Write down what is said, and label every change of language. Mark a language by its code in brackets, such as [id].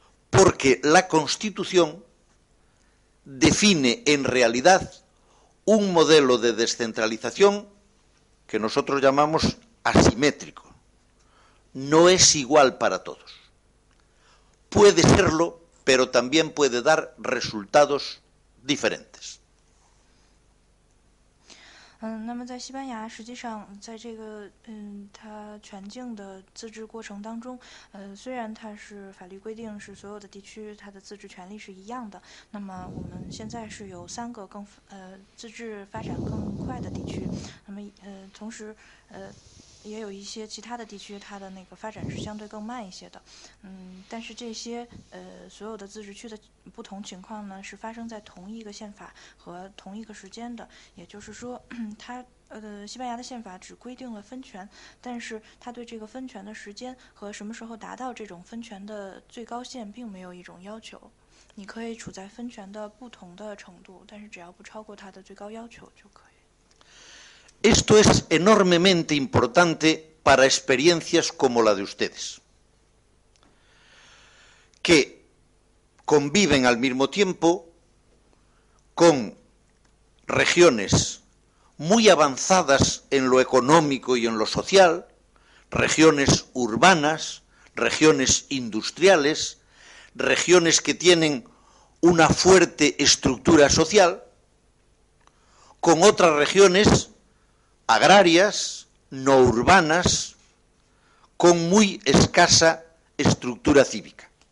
[es] Porque la Constitución define en realidad un modelo de descentralización que nosotros llamamos asimétrico. No es igual para todos. Puede serlo, pero también puede dar resultados diferentes. [zh] 那么在西班牙，实际上在这个它全境的自治过程当中，虽然它是法律规定是所有的地区它的自治权利是一样的，那么我们现在是有三个更自治发展更快的地区，那么同时也有一些其他的地区它的那个发展是相对更慢一些的，但是这些所有的自治区的不同情况呢是发生在同一个宪法和同一个时间的，也就是说它西班牙的宪法只规定了分权，但是它对这个分权的时间和什么时候达到这种分权的最高限并没有一种要求，你可以处在分权的不同的程度，但是只要不超过它的最高要求就可以。 [es] Esto es enormemente importante para experiencias como la de ustedes, que conviven al mismo tiempo con regiones muy avanzadas en lo económico y en lo social, regiones urbanas, regiones industriales, regiones que tienen una fuerte estructura social, con otras regiones agrarias, no urbanas, con muy escasa estructura cívica.